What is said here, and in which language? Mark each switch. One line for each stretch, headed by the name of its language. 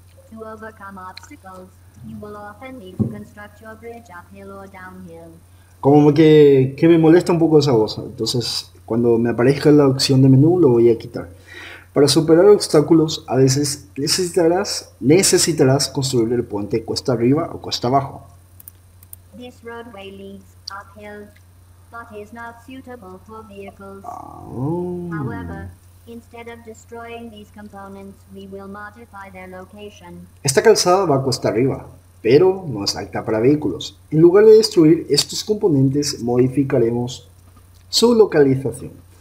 English: To overcome obstacles, you will often need to construct your bridge uphill or downhill.
Spanish: Como que me molesta un poco esa voz. Entonces, cuando me aparezca la opción de menú, lo voy a quitar. Para superar obstáculos, a veces necesitarás construir el puente cuesta arriba o cuesta abajo.
English: This roadway leads uphill, but is not suitable for vehicles. However, instead of destroying these components, we will modify their location.
Spanish: Esta calzada va a cuesta arriba, pero no es apta para vehículos. En lugar de destruir estos componentes, modificaremos su localización.